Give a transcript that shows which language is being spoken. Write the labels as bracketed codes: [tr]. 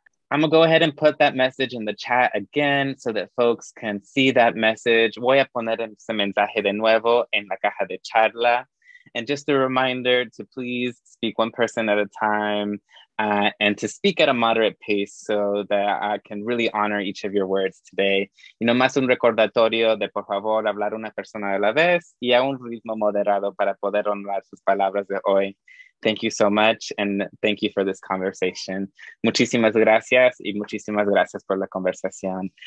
[en] I'm gonna go ahead and put that message in the chat again so that folks can see that message. [es] Voy a poner ese mensaje de nuevo en la caja de charla. [en] And just a reminder to please speak one person at a time and to speak at a moderate pace so that I can really honor each of your words today. You know, [es] más un recordatorio de por favor hablar una persona a la vez y a un ritmo moderado para poder honrar sus palabras de hoy. [en] Thank you so much, and thank you for this conversation. [es] Muchísimas gracias, y muchísimas gracias por la conversación.